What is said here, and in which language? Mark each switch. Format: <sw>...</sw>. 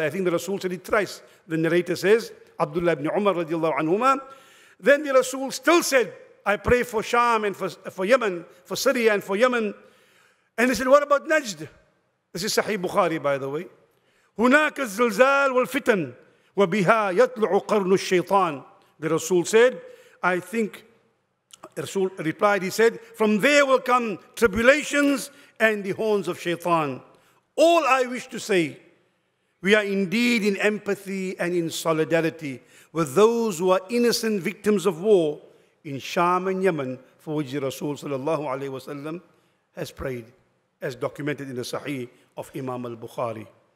<en>I think the Rasul said it thrice. The narrator says, Abdullah ibn Umar radiallahu anhuma. Then the Rasul still said, I pray for Sham and for Yemen, for Syria and for Yemen. And he said, what about Najd? This is Sahih Bukhari, by the way.</en> <ar>هناك الزلزال والفتن وبها يطلع قرن الشيطان.</ar> <en>The Rasul said, I think, Rasul replied, he said, from there will come tribulations and the horns of Shaytan. All I wish to say, we are indeed in empathy and in solidarity with those who are innocent victims of war in Sham and Yemen, for which the Rasul sallallahu alayhi wa sallam has prayed, as documented in the Sahih of Imam al-Bukhari.</en>